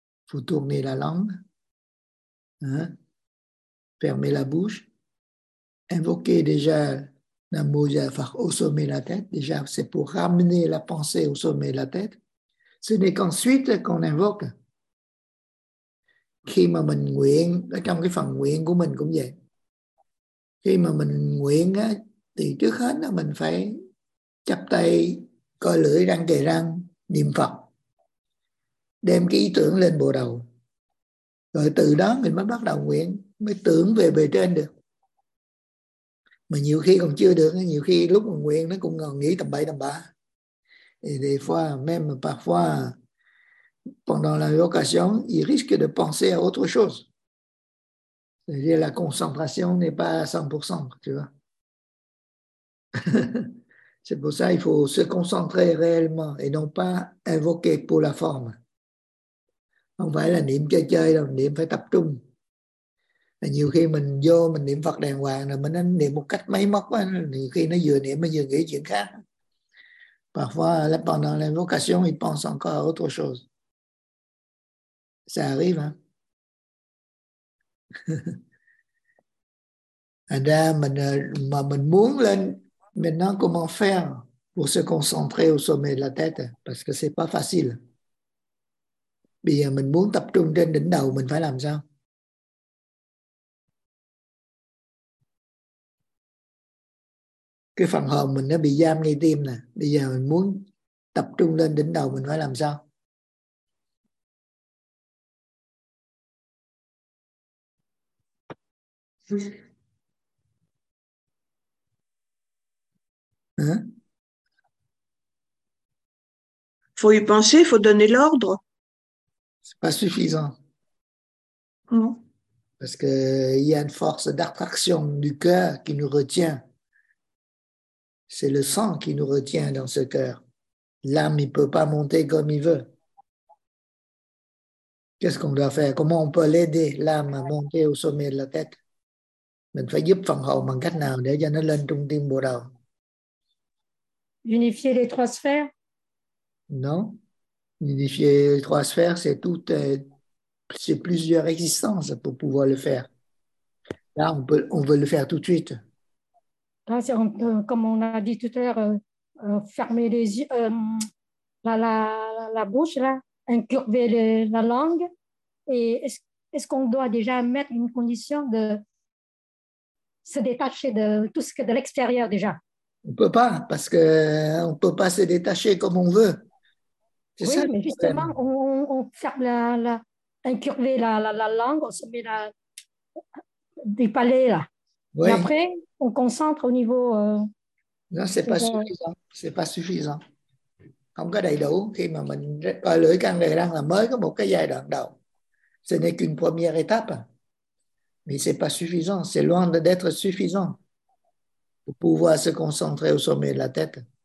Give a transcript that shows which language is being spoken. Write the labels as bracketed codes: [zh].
[fr] Vous tournez la langue, hein? Fermez la bouche, invoquez déjà au sommet de la tête. Déjà, c'est pour ramener la pensée au sommet de la tête. Ce n'est qu'ensuite qu'on invoque. [vi] Khi mà mình nguyện, trong cái phần nguyện của mình cũng vậy. Khi mà mình nguyện á, thì trước hết là mình phải chắp tay, coi lưỡi răng kề răng, niệm Phật. Đem cái ý tưởng lên bộ đầu. Rồi từ đó mình mới bắt đầu nguyện, mới tưởng về bề trên được. Mà nhiều khi còn chưa được, nhiều khi lúc mà nguyện nó cũng còn nghĩ tầm bậy tầm bạ. [fr] Et des fois, même parfois, pendant l'invocation, il risque de penser à autre chose. C'est-à-dire la concentration n'est pas à 100%, tu vois. C'est pour ça qu'il faut se concentrer réellement et non pas invoquer pour la forme. [vi] Không phải là niệm chơi chơi đâu, niệm phải tập trung. Nhiều khi mình vô mình niệm Phật đàng hoàng rồi mình niệm một cách máy móc á, thì khi nó vừa niệm nó vừa nghĩ chuyện khác. [fr] Parfois, pendant l'invocation, il pense encore à autre chose. Ça arrive, hein? [vi] Thành ra mình muốn lên, [fr] maintenant comment faire pour se concentrer au sommet de la tête? Parce que c'est pas facile. [vi] Bây giờ mình muốn tập trung trên đỉnh đầu, mình phải làm sao? Cái phần hồn mình nó bị giam ngay tim nè. Bây giờ mình muốn tập trung lên đỉnh đầu, mình phải làm sao? Hả? [fr] Faut y penser, faut donner l'ordre. C'est pas suffisant. Non. Parce que il y a une force d'attraction du cœur qui nous retient. C'est le sang qui nous retient dans ce cœur. L'âme, il peut pas monter comme il veut. Qu'est-ce qu'on doit faire? Comment on peut l'aider l'âme à monter au sommet de la tête? [vi] Mình phải giúp phần hồn bằng cách nào để cho nó lên trung tâm bộ đầu? [fr] Unifier les trois sphères? Non. Unifier les trois sphères, c'est tout, c'est plusieurs existences pour pouvoir le faire. Là, on veut le faire tout de suite. Comme on a dit tout à l'heure, fermer les yeux, la bouche, là, incurver la langue. Et est-ce qu'on doit déjà mettre une condition de se détacher de tout ce qui est de l'extérieur déjà? On ne peut pas, parce qu'on ne peut pas se détacher comme on veut. C'est oui, ça, mais justement, on ferme incurver la langue, on se met du palais là. Oui. Et après, on concentre au niveau. Non, ce n'est pas suffisant. Ce n'est pas suffisant. [vi] Không có đầy đủ. Khi mà mình coi lưỡi căn này đang là mới có một cái giai đoạn đầu. [fr] Ce n'est qu'une première étape. Mais ce n'est pas suffisant. C'est loin d'être suffisant pour pouvoir se concentrer au sommet de la tête.